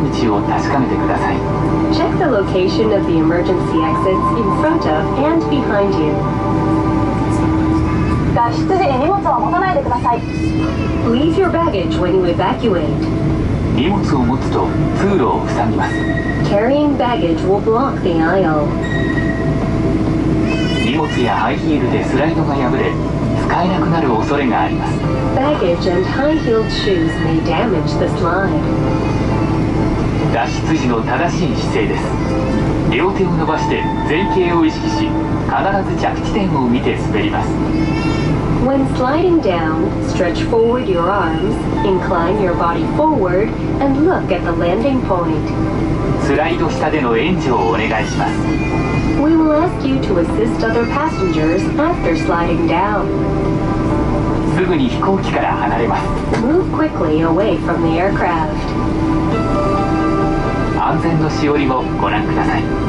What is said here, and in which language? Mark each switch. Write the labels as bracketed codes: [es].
[en] Check the location of the emergency exits in front of and behind you. [ja] 脱出時に荷物を持たないでください。 [en] Leave your baggage when you evacuate. [ja] 荷物を持つと通路を塞ぎます。 [en] Carrying baggage will block the aisle. [ja] 荷物やハイヒールでスライドが破れ、使えなくなる恐れがあります。 [en] Baggage and high-heeled shoes may damage the slide. [ja] 脱出時の正しい姿勢です。両手を伸ばして前傾を意識し、必ず着地点を見て滑ります。 [en] When sliding down, stretch forward your arms, incline your body forward, and look at the landing point. [ja] スライド下での援助をお願いします。 [en] We will ask you to assist other passengers after sliding down. [ja] すぐに飛行機から離れます。 [en] Move quickly away from the aircraft. [ja] 安全のしおりをご覧ください。